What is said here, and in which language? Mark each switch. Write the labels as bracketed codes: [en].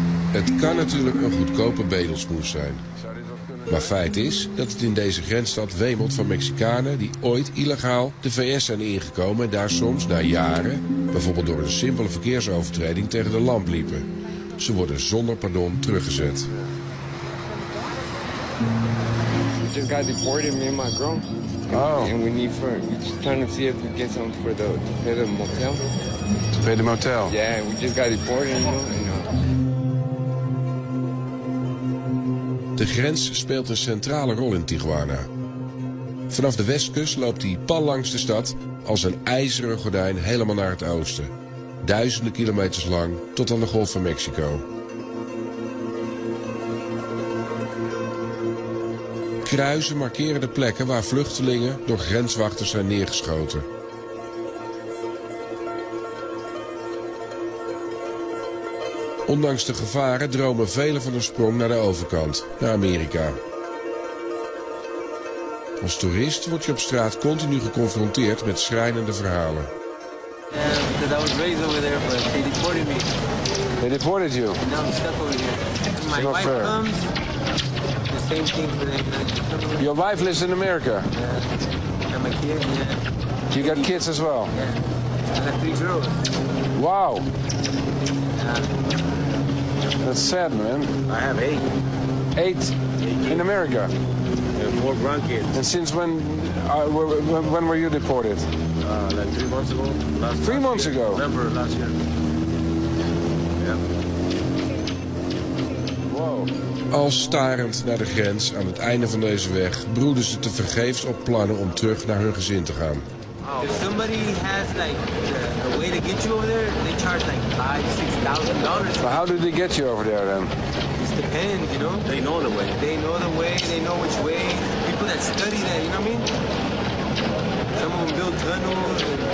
[nl] Het kan natuurlijk een goedkope bedelsmoes zijn. Maar feit is dat het in deze grensstad wemelt van Mexicanen die ooit illegaal de VS zijn ingekomen en daar soms na jaren, bijvoorbeeld door een simpele verkeersovertreding, tegen de lamp liepen. Ze worden zonder pardon teruggezet. [en] We just got deported, me and my girl. Oh. And we need for, we just trying to see if we get something for the, to pay the motel. To pay the motel? Yeah, we just got deported, you know. [nl] De grens speelt een centrale rol in Tijuana. Vanaf de westkust loopt hij pal langs de stad als een ijzeren gordijn helemaal naar het oosten. Duizenden kilometers lang tot aan de Golf van Mexico. Kruisen markeren de plekken waar vluchtelingen door grenswachters zijn neergeschoten. Ondanks de gevaren dromen velen van een sprong naar de overkant, naar Amerika. Als toerist word je op straat continu geconfronteerd met schrijnende verhalen. [en] Because I was raised over there, but they deported me. They deported you? And now I'm stuck over here. My wife fair. Comes, the same thing for them. Your wife lives in America? Yeah. I'm a kid, yeah. You got kids as well? Yeah. I have three girls. Wow. That's sad, man. I have eight in America. And four grandkids. And since when? When were you deported? Like 3 months ago. Three months ago. November last year. Yeah. Wow. [nl] Al starend naar de grens aan het einde van deze weg, broeden ze tevergeefs op plannen om terug naar hun gezin te gaan. [en] If somebody has like a way to get you over there, they charge like $5,000-$6,000. But how did they get you over there then? It's the pen, you know? They know the way. They know the way, they know which way. People that study that, you know what I mean? Some of them build tunnels.